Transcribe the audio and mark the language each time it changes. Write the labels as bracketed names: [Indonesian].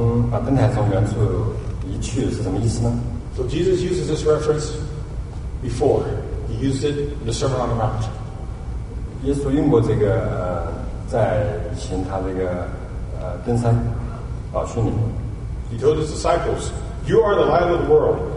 [Chinese] 把灯台从原处移去是什么意思呢？ [English] So Jesus uses this reference before. He used it in the Sermon on the Mount. [Chinese] 耶稣用过这个 在以前他这个登山宝训里面。 [English] He told his disciples, You are the light of the world.